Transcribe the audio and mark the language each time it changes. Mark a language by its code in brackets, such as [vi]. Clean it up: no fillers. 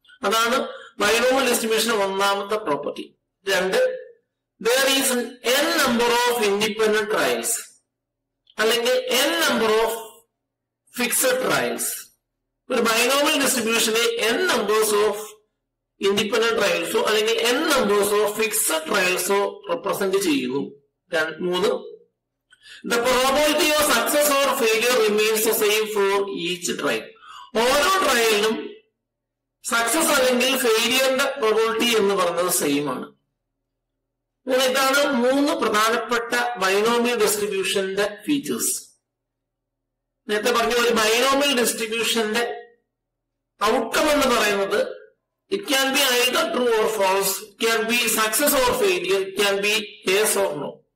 [en] അതാണ് ബൈനോമിയൽ ഡിസ്ട്രിബ്യൂഷന്റെ 1 property. 2, there is n number of independent trials അല്ലെങ്കിൽ n number of fixed trials. [ml] ഒരു binomial ഡിസ്ട്രിബ്യൂഷനെ N numbers of independent ട്രയൽസോ അല്ലെങ്കിൽ N numbers of fixed ട്രയൽസോ represent ചെയ്യുന്നു. [en] 3, the probability of success or failure remains the same for each trial. [ml] ഓരോ ട്രയലിനും success അല്ലെങ്കിൽ ഫെയിലിയറിന്റെ probability എന്ന് പറഞ്ഞത് same ആണ്. ഇതാണ് 3 പ്രധാനപ്പെട്ട ബൈനോമിയൽ ഡിസ്ട്രിബ്യൂഷന്റെ ഫീച്ചേഴ്സ്. നേരത്തെ പറഞ്ഞ ഒരു ബൈനോമിയൽ ഡിസ്ട്രിബ്യൂഷന്റെ ഔട്ട്കം എന്ന് പറയുന്നത് [en] It can be either true or false, can be success or failure, can be yes or no.